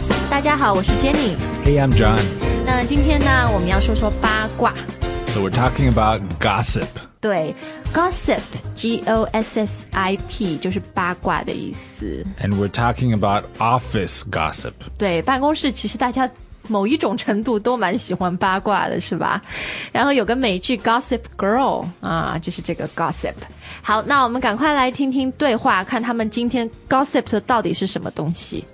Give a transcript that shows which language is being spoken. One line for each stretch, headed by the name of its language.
Chinese: 大家好，我是 Jenny。
English: Hey, I'm John。
Chinese: 那今天呢，我们要说说八卦。
English: So we're talking about gossip.
Chinese: 对 ，gossip, G-O-S-S-I-P, 就是八卦的意思。
English: And we're talking about office gossip.
Chinese: 对，办公室其实大家某一种程度都蛮喜欢八卦的，是吧？然后有个美剧 Gossip Girl 啊，就是这个 gossip。好，那我们赶快来听听对话，看他们今天 gossip 的到底是什么东西。